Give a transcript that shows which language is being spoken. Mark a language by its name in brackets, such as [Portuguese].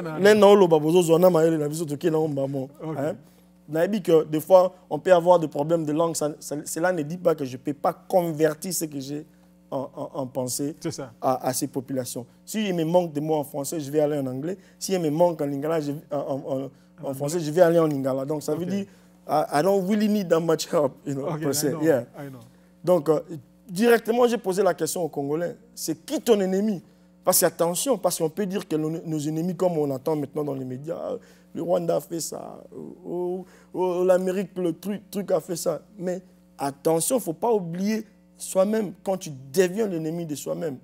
[Lingala] na. Nena o l'oba bozo zwana maele na viso toke na ombamo. Ok. [French] Naibi que des fois, on peut avoir des problèmes de langue. Cela ne dit pas que je ne peux pas convertir ce que j'ai en pensée à ces populations. Si il me manque des mots en français, je vais aller en anglais. Si il me manque en lingala, en français, je vais aller en lingala. Donc ça veut dire, [English] I don't really need that much help, you know, per se. [French] Donc, directement, j'ai posé la question aux Congolais. C'est qui ton ennemi? Parce qu'attention, parce qu'on peut dire que nos ennemis, comme on entend maintenant dans les médias, le Rwanda a fait ça, l'Amérique, le truc a fait ça. Mais attention, il ne faut pas oublier soi-même quand tu deviens l'ennemi de soi-même.